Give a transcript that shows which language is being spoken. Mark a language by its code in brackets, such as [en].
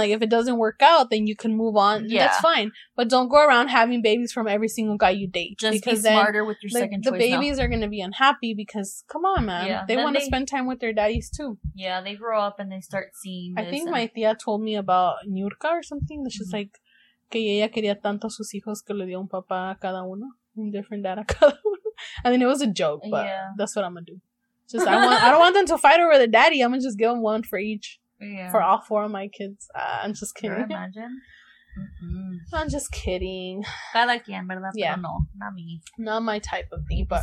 [en] Like, if it doesn't work out, then you can move on. Yeah. That's fine. But don't go around having babies from every single guy you date. Just because be smarter with your second choice. The babies are going to be unhappy because, come on, man. Yeah. They want to spend time with their daddies, too. Yeah, they grow up and they start seeing this. I think my tia told me about Nurka or something. She's like, [es] que ella quería tanto a sus hijos que le dio un papá a cada uno. [en] Different data color. I mean, it was a joke, but that's what I'm gonna do. Just I don't want them to fight over the daddy. I'm gonna just give them one for each, for all four of my kids. I'm just kidding. Can you imagine? I'm just kidding. [es] Cada quien, verdad? Yeah. Pero no, [en] not me. Not my type of thing. But